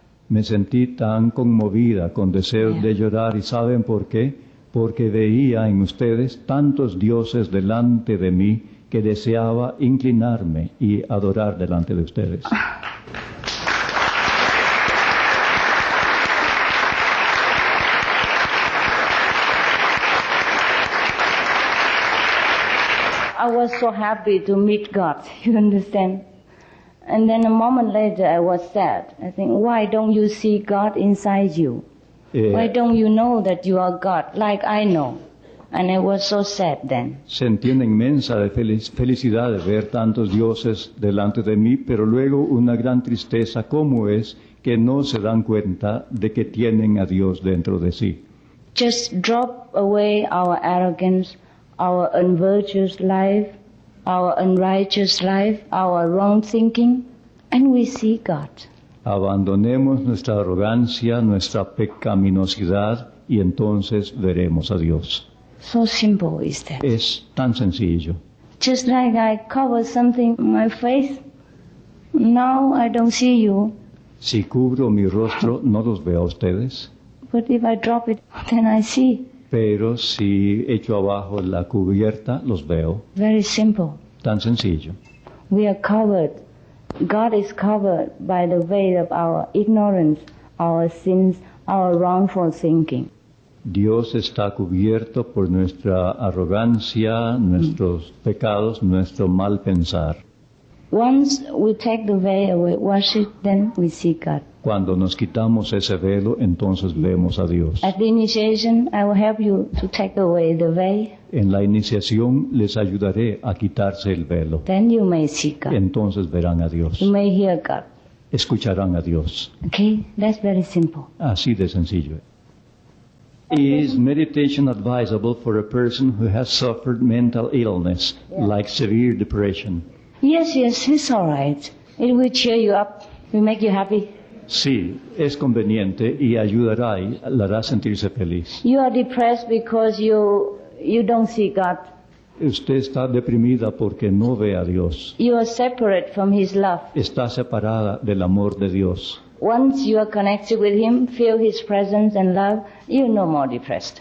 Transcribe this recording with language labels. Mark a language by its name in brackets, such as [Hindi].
[Spanish] Me sentí tan conmovida, con deseos de llorar, y ¿saben por qué? Porque veía en ustedes tantos dioses delante de mí que deseaba inclinarme y adorar delante de ustedes. [English] I was so happy to meet God, you understand? And then a moment later I was sad. I think, why don't you see God inside you? Why don't you know that you are God, like I know? And I was so sad then. [Spanish] Sentí una inmensa felicidad de ver tantos dioses delante de mí, pero luego una gran tristeza, ¿cómo es que no se dan cuenta de que tienen a Dios dentro de sí? [English] Just drop away our arrogance, our unvirtuous life, our unrighteous life, our wrong thinking, and we see God. [Spanish] Abandonemos nuestra arrogancia, nuestra pecaminosidad, y entonces veremos a Dios. [English] So simple is that. [Spanish] Es tan sencillo. [English] Just like I cover something in my face, now I don't see you. [Spanish] Si cubro mi rostro, no los veo a ustedes. [English] But if I drop it, then I see. [Spanish] Pero si echo abajo la cubierta, los veo. [English] Very simple. [Spanish] Tan sencillo. [English] We are covered. God is covered by the veil of our ignorance, our sins, our wrongful thinking. [Spanish] Dios está cubierto por nuestra arrogancia, nuestros pecados, nuestro mal pensar. [English] Once we take the veil away, wash it, then we see God. [Spanish] Cuando nos quitamos ese velo, entonces vemos a Dios. [English] At the initiation, I will help you to take away the veil. [Spanish] En la iniciación les ayudaré a quitarse el velo. [English] Then you may see God. [Spanish] Entonces verán a Dios. [English] You may hear God. [Spanish] Escucharán a Dios. [English] Okay, that's very simple. [Spanish] Así de sencillo. [English] Is meditation advisable for a person who has suffered mental illness, like severe depression? Yes, yes, it's all right. It will cheer you up. It will make you happy. [Spanish] Sí, es conveniente y ayudará y la hará sentirse feliz. [English] You are depressed because you don't see God. [Spanish] Usted está deprimida porque no ve a Dios. [English] You are separate from His love. [Spanish] Está separada del amor de Dios. [English] Once you are connected with Him, feel His presence and love, you're no more depressed.